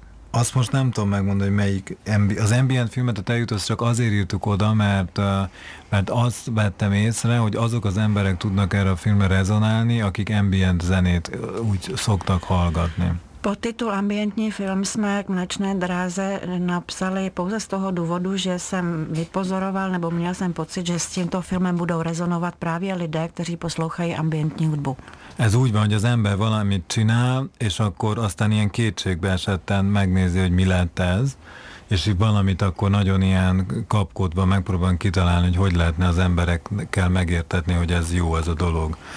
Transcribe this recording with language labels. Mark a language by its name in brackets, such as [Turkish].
[Hungarian] Azt most nem tudom megmondani, hogy melyik az ambient filmet, a Tejút, azt csak azért írtuk oda, mert azt vettem észre, hogy azok az emberek tudnak erre a filmre rezonálni, akik ambient zenét úgy szoktak hallgatni. [Czech] Podtitul Ambientní film jsme k Mléčné dráze napsali pouze z toho důvodu, že jsem vypozoroval nebo měl jsem pocit, že s tímto filmem budou rezonovat právě lidé, kteří poslouchají ambientní hudbu. [Hungarian] Ez úgy van, hogy az ember valamit csinál, és akkor aztán ilyen kétségbe esetten megnézi, hogy mi lett ez, és így valamit akkor nagyon ilyen kapkodva megpróbálom kitalálni, hogy hogy lehetne az emberekkel megértetni, hogy ez jó, ez a dolog.